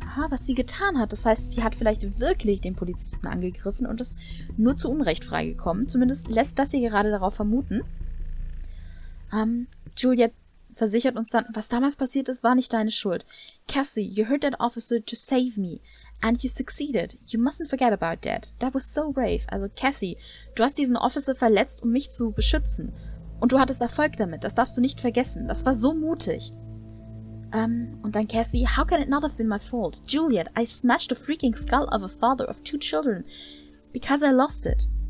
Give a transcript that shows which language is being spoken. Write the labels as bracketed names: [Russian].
[German] Was sie getan hat. Das heißt, sie hat vielleicht wirklich den Polizisten angegriffen und ist nur zu Unrecht freigekommen. Zumindest lässt das hier gerade darauf vermuten. Juliet versichert uns dann, was damals passiert ist, war nicht deine Schuld. [English] Cassie, you hurt that officer to save me. And you succeeded. You mustn't forget about that. That was so brave. [German] Also Cassie, du hast diesen Officer verletzt, um mich zu beschützen. Und du hattest Erfolg damit. Das darfst du nicht vergessen. Das war so mutig. Und dann [English] Cassie, how can it not have been my fault? Juliet, I smashed the freaking skull of a father of two children. Because I lost it.